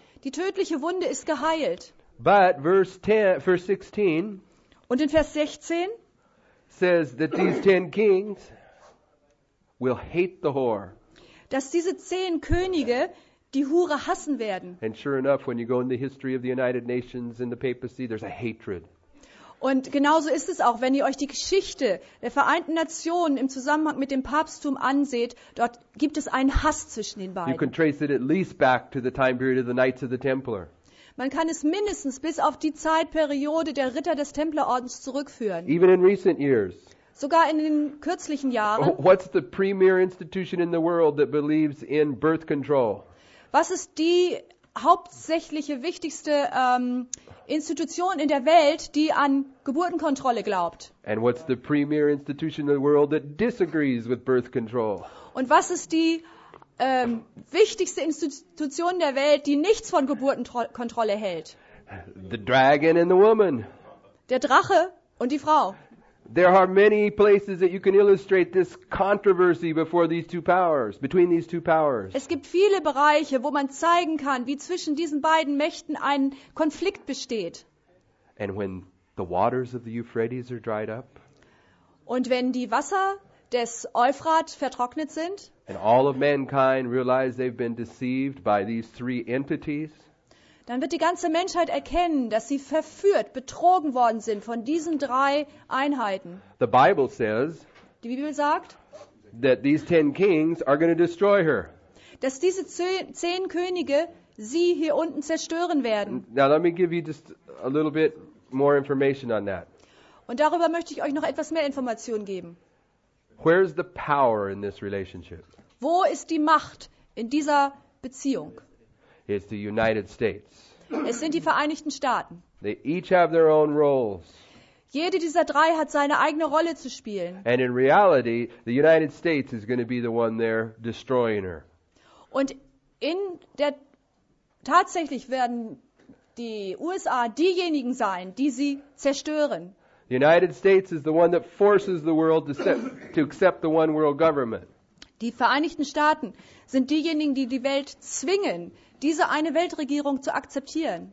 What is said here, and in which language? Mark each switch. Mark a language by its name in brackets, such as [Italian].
[German] Die tödliche Wunde ist geheilt. [English] But verse 16. [German] Und in Vers 16 [English] says that these 10 kings will hate the whore. [German] Dass diese 10 Könige die Hure hassen werden. [English] And sure enough, when you go in the history of the United Nations and the papacy, there's a hatred. [German] Und genauso ist es auch, wenn ihr euch die Geschichte der Vereinten Nationen im Zusammenhang mit dem Papsttum anseht, dort gibt es einen Hass zwischen den beiden. [English] You can trace it at least back to the time period of the Knights of the Templar. [German] Man kann es mindestens bis auf die Zeitperiode der Ritter des Templerordens zurückführen. [English] Even in recent years. [German] Sogar in den kürzlichen Jahren. [English] What's the premier institution in the world that believes in birth control? [German] Was ist die hauptsächliche, wichtigste Institution in der Welt, die an Geburtenkontrolle glaubt? [English] And what's the premier institution in the world that disagrees with birth control? [German] Und was ist die wichtigste Institution der Welt, die nichts von Geburtenkontrolle hält? [English] The dragon and the woman. [German] Der Drache und die Frau. [English] There are many places that you can illustrate this controversy before these two powers, between these two powers. [German] Es gibt viele Bereiche, wo man zeigen kann, wie zwischen diesen beiden Mächten ein Konflikt besteht. [English] And when the waters of the Euphrates are dried up. [German] Und wenn die Wasser des Euphrat vertrocknet sind. [English] And all of mankind realize they've been deceived by these three entities. [German] Dann wird die ganze Menschheit erkennen, dass sie verführt, betrogen worden sind von diesen drei Einheiten. [English] The Bible says, [German] die Bibel sagt, [English] that these 10 kings are going to destroy her. [German] Dass diese 10 Könige sie hier unten zerstören werden. [English] Now let me give you just a little bit more information on that. [German] Und darüber möchte ich euch noch etwas mehr Informationen geben. [English] Where is the power in this relationship? [German] Wo ist die Macht in dieser Beziehung? [English] It's the United States. [German] Es sind die Vereinigten Staaten. [English] They each have their own roles. [German] Jede dieser drei hat seine eigene Rolle zu spielen. [English] And in reality, the United States is going to be the one there destroying her. [German] Und in der tatsächlich werden die USA diejenigen sein, die sie zerstören. [English] The United States is the one that forces the world to accept the one world government. [German] Die Vereinigten Staaten sind diejenigen, die die Welt zwingen, diese eine Weltregierung zu akzeptieren.